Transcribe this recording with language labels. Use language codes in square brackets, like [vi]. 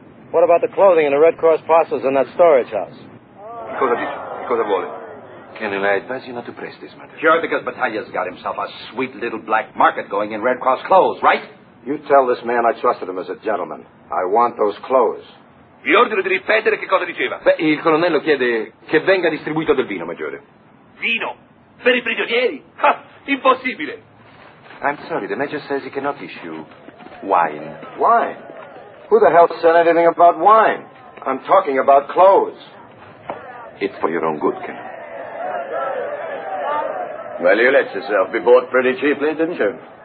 [en] What about the clothing and the Red Cross parcels in that storage house? [it] Cosa dice? Cosa vuole? [en] Colonel, I advise you not to press this matter. Sure, because Battaglia's got himself a sweet little black market going in Red Cross clothes, right? You tell this man I trusted him as a gentleman. I want those clothes. [it] Vi ordino di ripetere che cosa diceva. Beh, il colonnello chiede che venga distribuito del vino, maggiore. Vino? Per i prigionieri? Ha! Impossibile! [en] I'm sorry, the major says he cannot issue wine. Wine? Who the hell said anything about wine? I'm talking about clothes. It's for your own good, Ken. Well, you let yourself be bought pretty cheaply, didn't you?